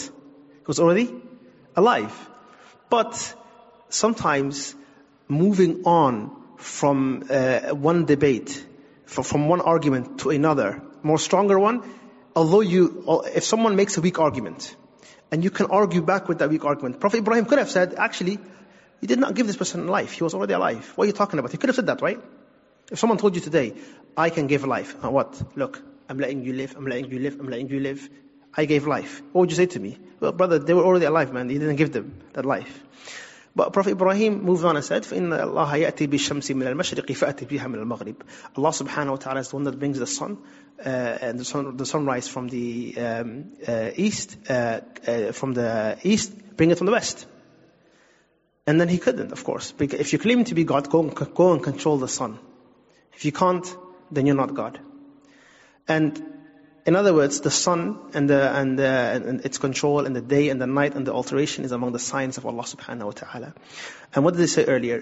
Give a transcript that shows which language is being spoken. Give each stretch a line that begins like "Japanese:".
English: He was already alive. But sometimes moving on from one debate, from one argument to another, more stronger one, although you, if someone makes a weak argument, and you can argue back with that weak argument, Prophet Ibrahim could have said, actually, you did not give this person life. He was already alive. What are you talking about? He could have said that, right? If someone told you today, I can give life. What? Look, I'm letting you live. I'm letting you live. I'm letting you live. I gave life. What would you say to me? Well, brother, they were already alive, man. You didn't give them that life. But Prophet Ibrahim moved on and said,
Arabic: فَإِنَّ اللَّهَ يَأْتِي بِالشَّمْسِ مِنَ الْمَشْرِقِ فَأَتِي بِهَا مِنَ الْمَغْرِبِ.
English: Allah subhanahu wa ta'ala is the one that brings the sun and the sunrise from the east, from the east, bring it from the west. And then he couldn't, of course. Because if you claim to be God, go and control the sun. If you can't, then you're not God. And in other words, the sun and its control and the day and the night and the alteration is among the signs of Allah subhanahu wa ta'ala. And what did they say earlier?